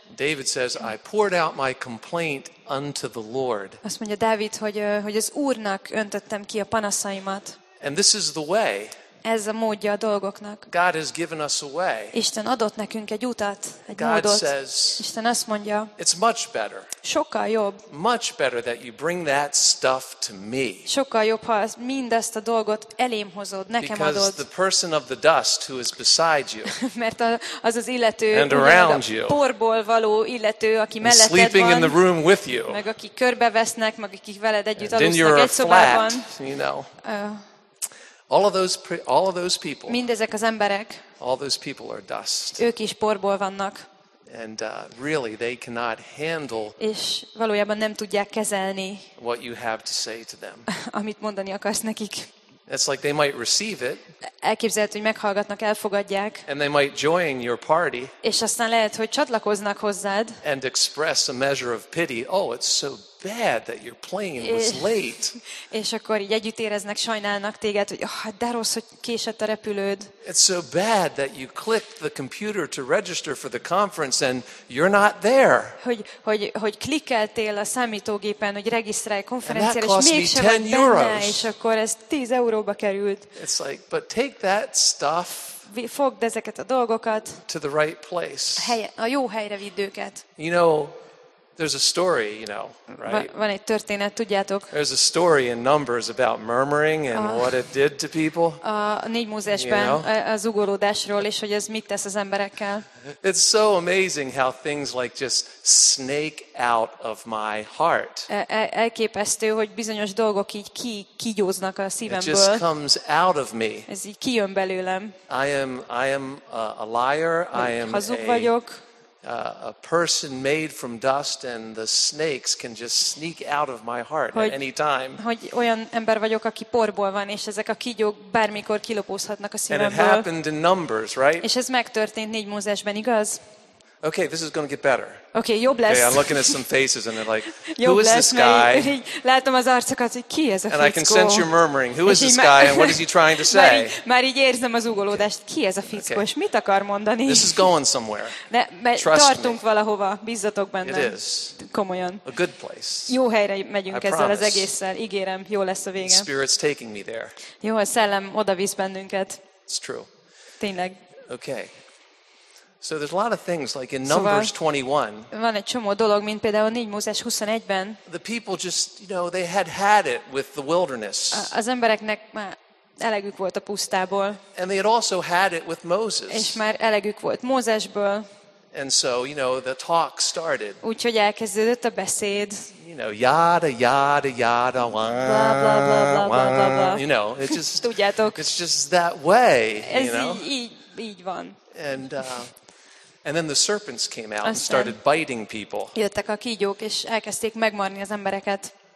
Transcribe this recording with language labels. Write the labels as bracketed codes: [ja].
[en] David says, I poured out my complaint unto the Lord. [hu] Azt mondja Dávid, hogy az Úrnak öntöttem ki a panaszaimat. [en] And this is the way. [hu] Ez a módja a dolgoknak. [en] God has given us a way. [hu] Isten adott nekünk egy utat, egy [en] God [hu] módot. [en] Says, [hu] Isten azt mondja. [en] It's much better. [hu] Sokkal jobb. [en] Much better that you bring that stuff to me. [hu] Sokkal jobb, ha mindezt a dolgot elém hozod, nekem [en] Because [hu] adod. [en] Because the person of the dust who is beside you. [hu] Mert az az illető, [en] and around you. [hu] A porból való illető, aki melletted van. [en] Sleeping in the room with you. [hu] Meg aki körbevesznek, meg akik veled együtt alusznak egy szobában. [en] You know. All of those people. [hu] Mindezek az emberek. [en] All those people are dust. [hu] Ők is porból vannak. [en] And really they cannot handle. [hu] És valójában nem tudják kezelni. [en] What you have to say to them. [hu] Amit mondani akarsz nekik. [en] It's like they might receive it. [hu] Elképzelhető, hogy meghallgatnak, elfogadják. [en] And they might join your party. [hu] És aztán lehet, hogy csatlakoznak hozzád. [en] And express a measure of pity. Oh, it's so bad that your plane was late. [hu] És akkor így együtt éreznek, sajnálnak téged, hogy oh, de rossz, hogy késett a repülőd. [en] It's so bad that you clicked the computer to register for the conference and you're not there. [hu] Hogy klikkeltél a számítógépen, hogy regisztrálj konferenciára, és mégsem vagy benne, és akkor ez 10 euróba került. [en] It's like, but take that stuff. [hu] Fogd ezeket a dolgokat. [en] To the right place. [hu] A jó helyre vidd őket. [en] You know, there's a story, you know, right? [hu] Van egy történet, tudjátok. [en] There's a story in Numbers about murmuring and what it did to people. [hu] A négy Mózesben az ugorodásról, és hogy ez mit tesz az emberekkel. [en] It's so amazing how things like just snake out of my heart. [hu] Elképesztő, hogy bizonyos dolgok így kigyóznak a szívemből. [en] It just comes out of me. [hu] Ez így kijön belőlem. [en] I am a liar. I am [hu] hazug vagyok. [en] A person made from dust and the snakes can just sneak out of my heart at any time. [hu] Hogy olyan ember vagyok, aki porból van, és ezek a kígyók bármikor kilopózhatnak a szívemből. [en] And it happened in Numbers, right? [hu] És ez megtörtént négy Mózesben, igaz? [en] Okay, this is going to get better. [hu] Okay, jobb lesz. [en] Okay, I'm looking at some faces and they're like, who is this guy? [hu] Látom az arcokat, hogy ki ez a fickó? [en] And I can sense you murmuring, who is this guy and what is he trying to say? [hu] Már így érzem az ugolódást, ki ez a fickó, és mit akar mondani? [en] This is going somewhere. Trust me. [hu] Tartunk valahova, bízzatok bennem. [en] It is. [hu] Komolyan. [en] A good place. [hu] Jó helyre megyünk ezzel az egésszel, ígérem, jó lesz a vége. [en] Spirit's taking me there. [hu] Jó, a szellem oda visz bennünket. [en] It's true. [hu] Tényleg. [en] Okay. So there's a lot of things like in Numbers 21. [hu] Van egy csomó dolog, mint például a 4 Mózes 21-ben. [en] The people just, you know, they had it with the wilderness. [hu] Az embereknek már elegük volt a pusztából. [en] And they had also had it with Moses. [hu] És már elegük volt Mózesből. [en] And so, you know, the talk started. [hu] Úgyhogy elkezdődött a beszéd. [en] You know, yada yada yada wah, blah, blah, blah, blah, Blah, blah, blah, blah. You know, it's just [hu] tudjátok. [en] It's just that way, [hu] ez [en] you know. [hu] Így van. [en] And then the serpents came out and started biting people. [hu] Jöttek a kígyók és elkezdték megmarni az embereket.